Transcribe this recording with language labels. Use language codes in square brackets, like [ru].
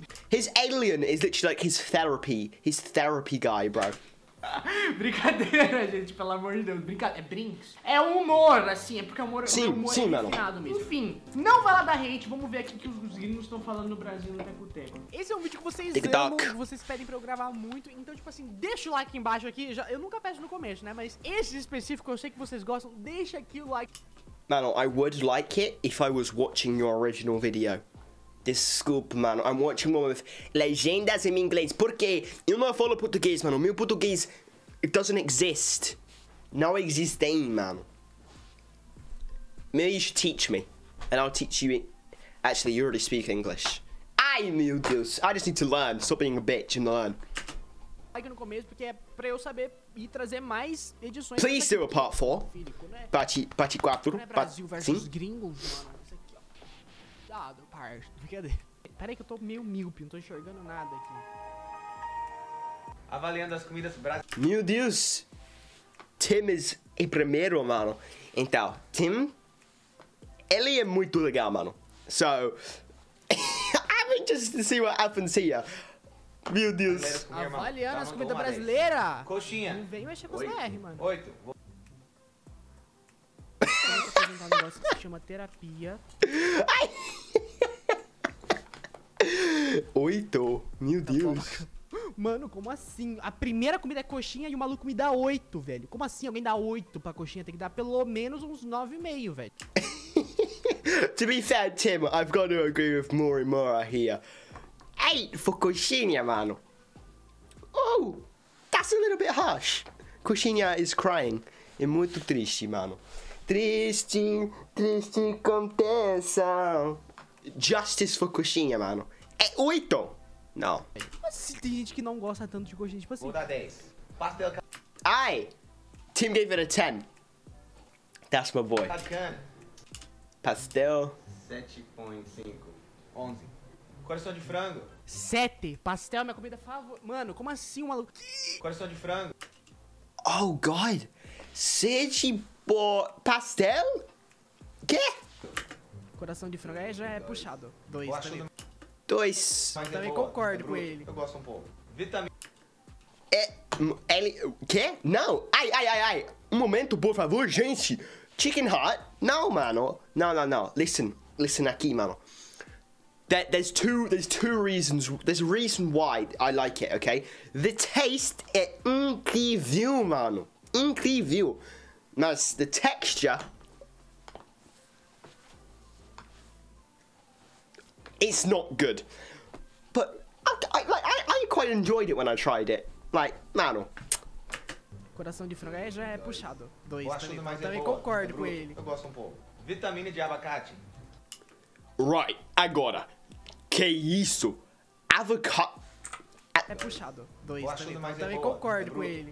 [en] His alien is literally like his therapy guy, bro. [pt] Brincadeira, gente, pelo amor de Deus. Brincadeira, é brinks. É humor, assim, é porque é humor, sim, humor, sim, é refinado mesmo. Enfim, não vai lá dar hate, vamos ver aqui o que os gringos estão falando no Brasil no teco-teco. Esse é um vídeo que vocês amam, vocês pedem pra eu gravar muito. Então, tipo assim, deixa o like embaixo aqui. Eu nunca peço no começo, né? Mas esse específico, eu sei que vocês gostam. Deixa aqui o like. [en] Mano, I would like it if I was watching your original video. [pt] Desculpa, mano. I'm watching one with legendas em inglês. Porque eu não falo português, mano. Meu português, it doesn't exist. Não existe, mano. [en] Maybe you should teach me. And I'll teach you. Actually, you already speak English. Ai, meu Deus. I just need to learn. Stop being a bitch and learn. [pt] Aqui no começo, porque é pra eu saber e trazer mais edições. [en] Please do a part 4. Parte 4. [pt] É Brasil versus gringos, mano. Cuidado, parça. Brincadeira. Peraí que eu tô meio míope, não tô enxergando nada aqui. Avaliando as comidas brasileiras. Meu Deus! Tim is em primeiro, mano. Então, Tim, ele é muito legal, mano. [en] So, I mean, just to see what happens here. [pt] Meu Deus. Avaliando as comidas brasileiras. Coxinha. Não vem mexer com os BR, mano. Oito. Um negócio que se chama terapia. Ai. Oito? Meu Deus. Mano, como assim? A primeira comida é coxinha e o maluco me dá oito, velho. Como assim alguém dá oito pra coxinha? Tem que dar pelo menos uns 9,5, velho. [en] To be fair, Tim, I've got to agree with MoriMura here. 8 for coxinha, mano. Oh, that's a little bit harsh. [pt] Coxinha is crying. É muito triste, mano. Triste, triste contenção. Justice for coxinha, mano. É 8. Não. Mas tem gente que não gosta tanto de coxinha, tipo assim. Vou dar 10. Pastel. [en] Ai! Tim gave it a 10. That's my boy. Pastel. [pt] 7,5. 11. Coração de frango. 7. Pastel é minha comida favorita. Mano, como assim, maluco? Coração de frango. Oh, God. 7. Pô, pastel? Quê? Coração de frango aí já é puxado. 2. 2. Também concordo com ele. Eu gosto um pouco. Vitamina. É. Ele. Quê? Não! Ai, ai, ai, ai! Um momento, por favor, gente! Chicken heart? Não, mano. Não, não, não. Listen. Listen aqui, mano. [en] There's two reasons. There's a reason why I like it, okay? [pt] The taste é incrível, mano. Incrível. Mas the texture. [en] It's not good. But I quite enjoyed it when I tried it. Like, mano. [pt] Coração de frango aí já é dois. Puxado. Dois. Também concordo com ele. Eu gosto um pouco. Vitamina de abacate. Right, agora. Que isso? Avocado. É puxado. Dois. Também concordo com ele.